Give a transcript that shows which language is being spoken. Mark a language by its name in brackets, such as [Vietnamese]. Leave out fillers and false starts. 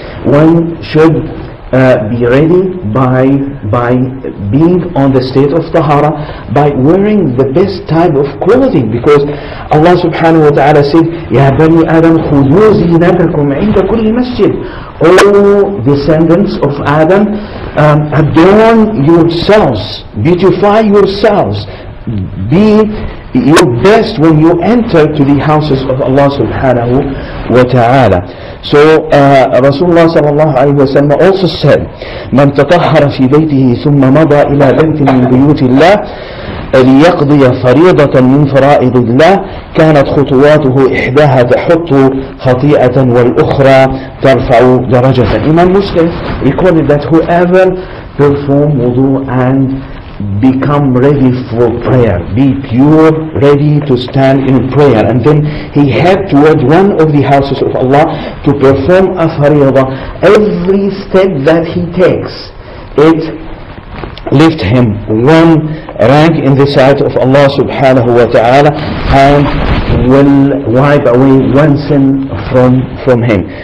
[English] One should be ready by being on the state of tahara, by wearing the best type of clothing, because Allah subhanahu wa ta'ala said, [Arabic] يَا بَنِي آدَمْ خُذُوا زِينَتَكُمْ عِنْدَ كُلِّ مَسْجِدٍ. [English] All descendants of Adam, adorn yourselves, beautify yourselves, be your best when you enter to the houses of Allah subhanahu wa ta'ala. So Rasulullah sallallahu alayhi wa sallam also said, [Arabic] من تطهر في بيته ثم مضى إلى بيت من بيوت الله ليقضي فريضة من فرائض الله كانت خطواته إحداها تحط خطيئة والأخرى ترفع درجة. [English] Imam Muslim recorded that whoever perform wudu and become ready for prayer, be pure, ready to stand in prayer, and then he head towards one of the houses of Allah to perform a fariyadah. Every step that he takes, it lifts him one rank in the sight of Allah subhanahu wa ta'ala, and will wipe away one sin from him.